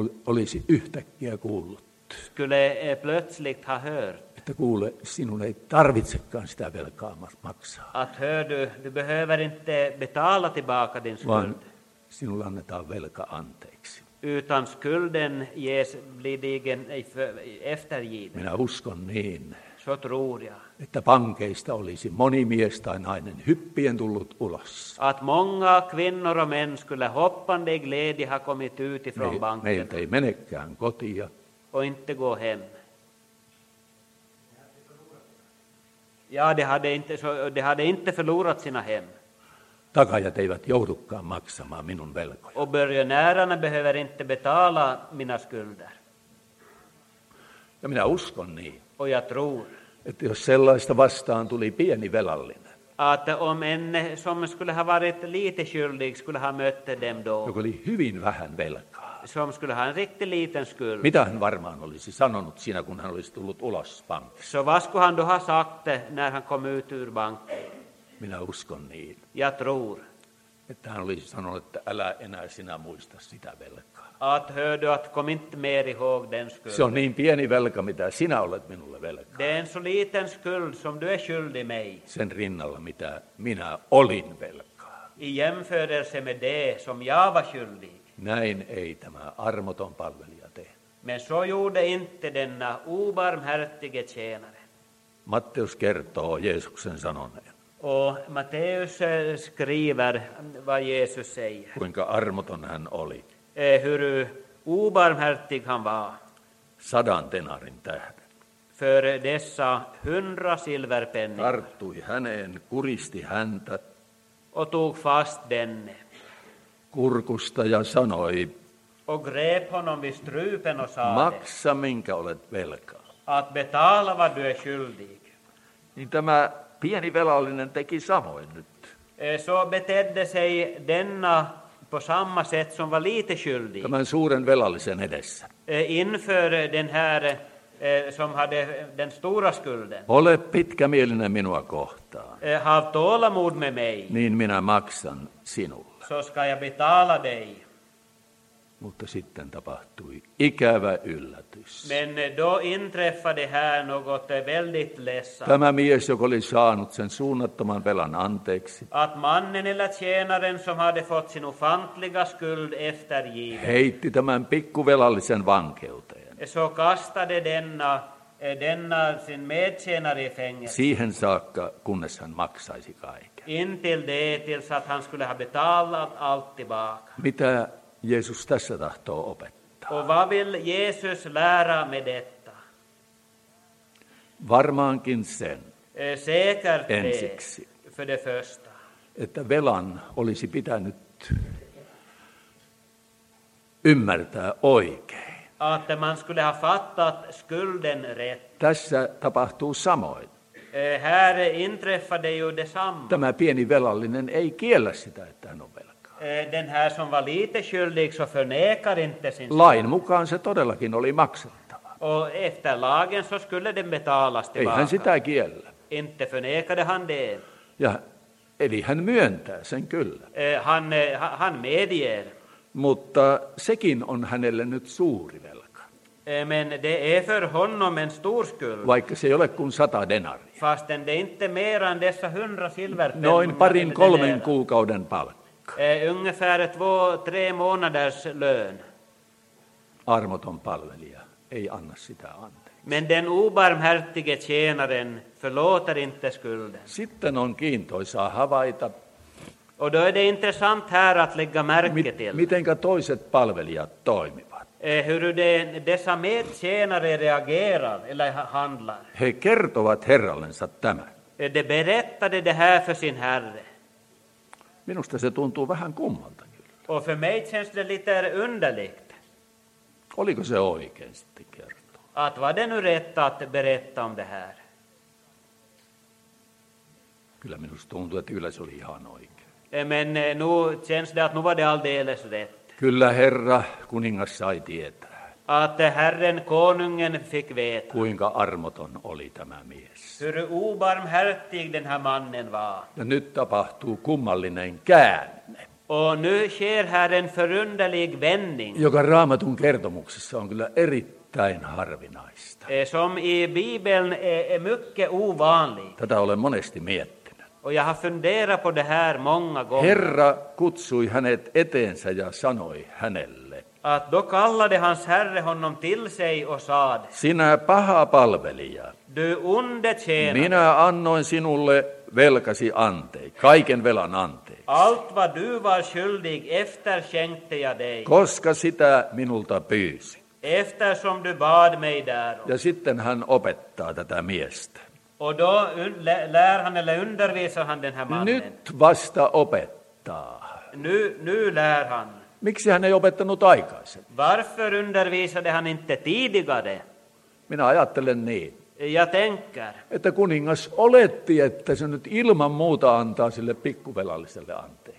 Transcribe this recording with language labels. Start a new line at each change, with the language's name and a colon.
Finnish: Olisi yhtäkkiä kuullut.
Swedish: Skulle plötsligt ha hört.
Finnish: Että kuule, sinun ei tarvitsekaan sitä velkaa maksaa.
Swedish: Att hör du behöver inte betala tillbaka din skuld.
Finnish: Vaan sinulle annetaan velka anteeksi.
Swedish: Utan skulden ges blidigen eftergiven.
Finnish: Minä uskon niin.
Swedish: Så tror jag.
Finnish: Että pankeista olisi moni mies tai nainen hyppien tullut ulos.
Swedish: Att många kvinnor och män skulle hoppande i glädje ha kommit ut ifrån banken.
Finnish: Meiltä ei menekään kotia.
Swedish: Och inte gå hem. Ja, de hade inte förlorat sina hem.
Finnish: Takajat eivät joudukaan maksamaan minun velkoja.
Swedish: Och börjonärerna behöver inte betala mina skulder.
Finnish: Ja minä uskon niin.
Swedish: Och jag tror.
Finnish: Että jos sellaista vastaan tuli pieni velallinen.
Swedish: Att om en som skulle ha varit lite skyldig skulle ha mött dem då.
Finnish: Joka oli hyvin vähän velkaa.
Swedish: Som skulle ha en riktig liten skuld.
Finnish: Mitä hän varmaan olisi sanonut siinä, kun hän olisi tullut ulos pankista?
Swedish: Så vad skulle han då ha sagt när han kom ut ur banken?
Finnish: Minä uskon niin.
Swedish: Jag tror.
Finnish: Että hän olisi sanonut, että älä enää sinä muista sitä velkaa.
Swedish: Att hör du att kom inte mer ihåg den skulden.
Finnish: Se on niin pieni velka, mitä sinä olet minulle velkaa.
Swedish: Det är en så liten skuld som du är skyldig mig.
Finnish: Sen rinnalla, mitä minä olin velkaa.
Swedish: I jämförelse med det som jag var skyldig.
Finnish: Näin ei tämä armoton palvelija tee.
Swedish: Men så gjorde inte denna obarmhärtige tjänare.
Finnish: Matteus kertoo Jeesuksen sanoneen.
Swedish: Och Matteus skriver vad Jesus säger.
Finnish: Kuinka armoton hän oli.
Swedish: Hur obarmhärtig han var.
Finnish: 100 denarin tähden.
Swedish: För dessa 100 silverpennin.
Finnish: Tarttui häneen, kuristi häntä.
Swedish: Och tog fast denne.
Finnish: Kurkusta ja sanoi,
Swedish: och grep honom vid strupen och sade,
Finnish: maksa minkä olet velkaa.
Swedish: Att betala vad du är skyldig.
Finnish: Niin tämä pieni velallinen teki samoin nyt.
Swedish: Så betedde sig denna på samma sätt som var lite skyldig.
Finnish: Tämän suuren velallisen edessä.
Swedish: Inför den här som hade den stora skulden.
Finnish: Ole pitkämielinen minua kohtaan.
Swedish: Have tålamod med mig.
Finnish: Niin minä maksan sinulle.
Swedish: Så ska jag betala dig.
Finnish: Mutta sitten tapahtui ikävä yllätys.
Swedish: Men då inträffade här något väldigt ledsamt.
Finnish: Tämä mies, joka oli saanut sen suunnattoman velan anteeksi.
Swedish: Att mannen eller tjänaren som hade fått sin ofantliga skuld eftergiven.
Finnish: Heitti tämän pikkuvelallisen vankeuteen.
Swedish: Så kastade denna sin medtjänare i fängelse.
Finnish: Siihen saakka, kunnes hän maksaisi kaiken.
Swedish: Intill det, tills att han skulle ha betalat allt tillbaka.
Finnish: Mitä Jeesus tässä tahtoo opettaa?
Swedish: Och vad vill Jesus lära med detta?
Finnish: Varmaankin sen.
Swedish: Säkert
Finnish: ensiksi.
Swedish: För det första.
Finnish: Että velan olisi pitänyt ymmärtää oikein.
Swedish: Att man skulle ha fattat skulden rätt.
Finnish: Tässä tapahtuu samoin.
Swedish: Här inträffade ju detsamma.
Finnish: Tämä pieni velallinen ei kiellä sitä, että hän on velan.
Swedish: Den här som var lite skyldig så förnekar inte sin skuld.
Finnish: Lain mukaan se todellakin oli maksettava.
Swedish: Och efter lagen så skulle den betalas tillbaka.
Finnish: Eihän sitä kiellä.
Swedish: Inte förnekade han det.
Finnish: Ja, eli hän myöntää sen kyllä.
Swedish: Han medger.
Finnish: Mutta sekin on hänelle nyt suuri velka.
Swedish: Men det är för honom en stor skuld.
Finnish: Vaikka se ei ole kuin 100 denaria.
Swedish: Fastän det inte mer än dessa 100 silverpennor.
Finnish: Noin parin kolmen kuukauden palkka.
Swedish: Ungefär 2-3 månaders lön.
Finnish: Armoton palvelija ei anna sitä anteeksi.
Swedish: Men den obarmhärtige tjänaren förlåter inte skulden.
Finnish: Sitten on kiintoisaa havaita.
Swedish: Och då är det intressant här att lägga märke till.
Finnish: Mitenkä toiset palvelijat toimivat?
Swedish: Hur dessa medtjänare reagerar eller handlar?
Finnish: He kertovat herrallensa tämän.
Swedish: De berättade det här för sin herre.
Finnish: Minusta se tuntuu vähän kummalta.
Swedish: Och för mig känns det lite underligt.
Finnish: Oliko se oikein sitten kertoo?
Swedish: Att var det nu rätt att berätta om det här?
Finnish: Kyllä minusta tuntuu, että kyllä se oli ihan oikein.
Swedish: Men nu känns det att nu var det alldeles rätt.
Finnish: Kyllä herra, kuningas sai tietää.
Swedish: Att herren konungen fick veta.
Finnish: Kuinka armoton oli tämä mies.
Swedish: Hur obarmhärtig den här mannen var.
Finnish: Ja nyt tapahtuu kummallinen käänne.
Swedish: Och nu sker här en förunderlig vändning.
Finnish: Joka Raamatun kertomuksessa on kyllä erittäin harvinaista.
Swedish: Som i Bibeln är mycket ovanlig.
Finnish: Tätä olen monesti miettinyt.
Swedish: Och jag har funderat på det här många gånger.
Finnish: Herra kutsui hänet eteensä ja sanoi hänelle.
Swedish: Att då kallade hans herre honom till sig och sade.
Finnish: Sinä paha palvelija.
Swedish: Du onde tjänare.
Finnish: Minä annoin sinulle velkasi anteeksi, kaiken velan anteeksi.
Swedish: Allt vad du var skyldig efter skänkte jag dig.
Finnish: Koska sitä minulta pyysi.
Swedish: Eftersom du bad mig därom.
Finnish: Ja sitten hän opettaa tätä miestä.
Swedish: Och då lär han eller undervisar han den här mannen.
Finnish: Nyt vasta opettaa.
Swedish: Nu lär han.
Finnish: Miksi hän ei opettanut aikaisemmin?
Swedish: Varför undervisade han inte tidigare?
Finnish: Minä ajattelen niin.
Swedish: Ja tänker.
Finnish: Että kuningas oletti, että se nyt ilman muuta antaa sille pikkuvelalliselle anteeksi.